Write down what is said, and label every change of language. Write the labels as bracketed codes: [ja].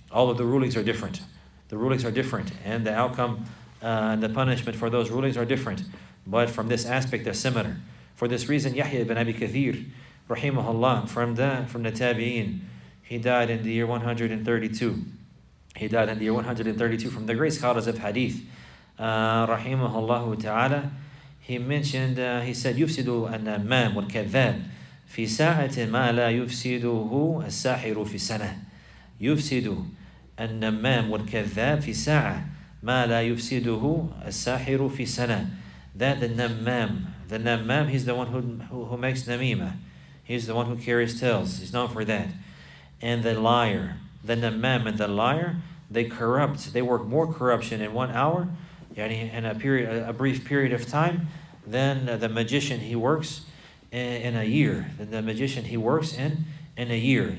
[en] All of the rulings are different. The rulings are different. And the outcome and the punishment for those rulings are different. But from this aspect, they're similar. For this reason, Yahya ibn Abi Kathir, rahimahullah, from the Tabi'in, he died in the year 132. He died in the year 132 from the great scholars of Hadith. Rahimahullah ta'ala, he mentioned, he said, [ar] يُفْسِدُ النَّمَّامُ وَالْكَذَّابُ فِي سَاعَةٍ مَا لَا يُفْسِدُهُ السَّاحِرُ فِي سَنَةٍ يُفْسِدُ النَّمَّامُ وَالْكَذَّابُ فِي سَاعَةٍ مَا لَا يُفْسِدُهُ السَّاحِرُ فِي سَنَةٍ. [en] That the namam, he's the one who makes namima. He's the one who carries tales. He's known for that. And the liar, the namam and the liar, they corrupt. They work more corruption in 1 hour, yani in a brief period of time, than the magician he works in a year. Than the magician he works in in a year.